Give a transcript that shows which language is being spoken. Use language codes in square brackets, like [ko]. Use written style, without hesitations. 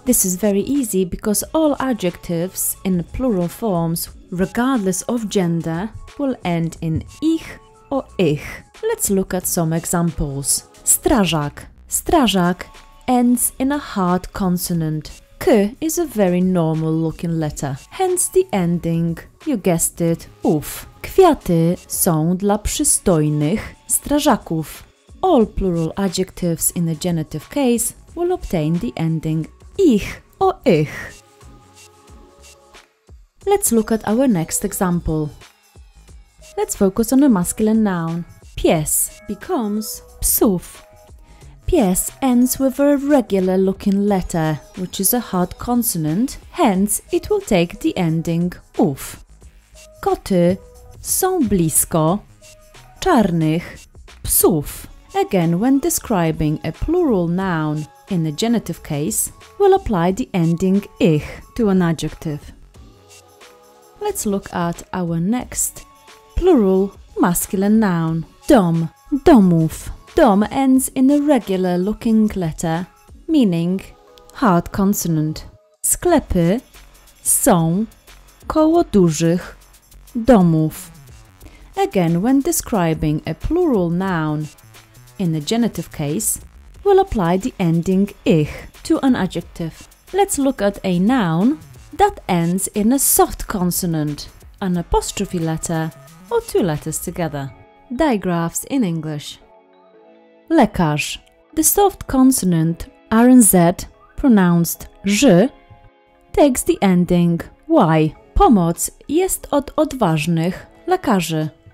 [en] This is very easy because all adjectives in plural forms, regardless of gender, will end in ich or ich. Let's look at some examples. Strażak. Strażak ends in a hard consonant. K is a very normal looking letter, hence the ending, you guessed it, uf. [pl] Kwiaty są dla przystojnych strażaków. [en] All plural adjectives in the genitive case will obtain the ending ich or ich. Let's look at our next example. Let's focus on a masculine noun. [pl] Pies [en] becomes [pl] psów. [en] Pies ends with a regular looking letter, which is a hard consonant, hence it will take the ending uf. [pl] Koty są blisko czarnych psów. [en] Again, when describing a plural noun in the genitive case, we'll apply the ending ich to an adjective. Let's look at our next plural masculine noun, dom, domów. Dom ends in a regular looking letter, meaning hard consonant. [pl] Sklepy są koło dużych domów. [en] Again, when describing a plural noun in the genitive case, we'll apply the ending ich to an adjective. Let's look at a noun that ends in a soft consonant, an apostrophe letter, or two letters together. Digraphs in English. Lekarz. The soft consonant R and Z, pronounced Ż, takes the ending Y. [pl] Pomoc jest od odważnych lekarzy.